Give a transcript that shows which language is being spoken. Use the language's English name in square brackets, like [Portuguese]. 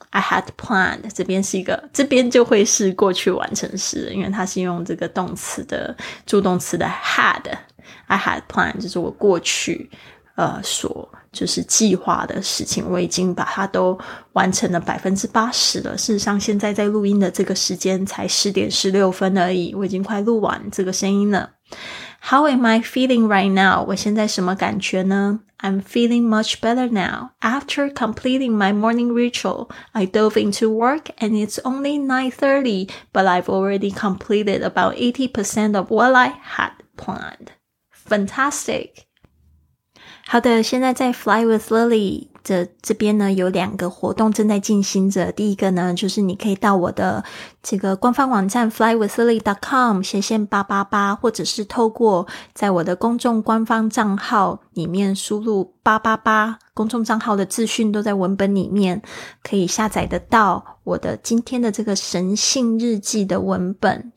[English] I had planned [Chinese] 这边是一个，这边就会是过去完成式，因为它是用这个动词的助动词的 had。 [English] I had planned [Chinese] 就是我过去所就是计划的事情，我已经把它都完成了 80% 了。事实上现在在录音的这个时间才10:16而已，我已经快录完这个声音了。 [English] How am I feeling right now? [Chinese] 我现在什么感觉呢？ [English] I'm feeling much better now. After completing my morning ritual, I dove into work and it's only 9:30, but I've already completed about 80% of what I had planned. Fantastic! [Chinese] 好的，现在在 Fly with Lily 的这边呢，有两个活动正在进行着。第一个呢，就是你可以到我的这个官方网站 flywithlily.com/888，或者是透过在我的公众官方账号里面输入888，公众账号的资讯都在文本里面，可以下载得到我的今天的这个神性日记的文本。